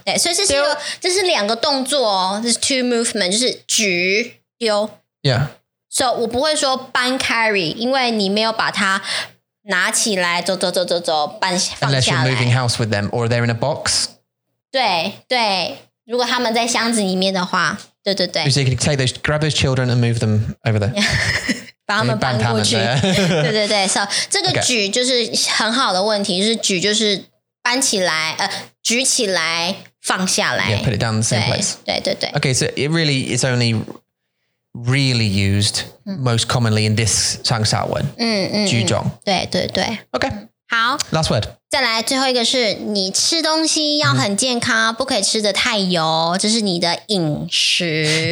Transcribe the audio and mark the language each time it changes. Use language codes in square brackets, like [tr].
[zh] 对,所以这是两个动作哦。 [en] This is two movements, [zh] 就是举,丢。 [en] Yeah. [zh] So, 我不会说搬 carry, 因为你没有把它拿起来走走走走走搬放下来。 [en] Unless you're moving house with them, or they're in a box? [zh] 对对如果他们在箱子里面的话对对对。 [en] So you can take those, grab those children and move them over there. [zh] 把他们搬过去。对对对 So, 这个举就是很好的问题就是举就是搬起来举起来放下来。 [en] Yeah, put it down in the same [zh] 对, [en] place. [zh] 对对对。 [en] Okay, so it really is only really used most commonly in this 上下文。 [zh] 嗯嗯。句中。对对对。 [en] Okay. [zh] 好。 [en] Last word. [zh] 再来最后一个是你吃东西要很健康、mm. 不可以吃得太油这是你的饮食。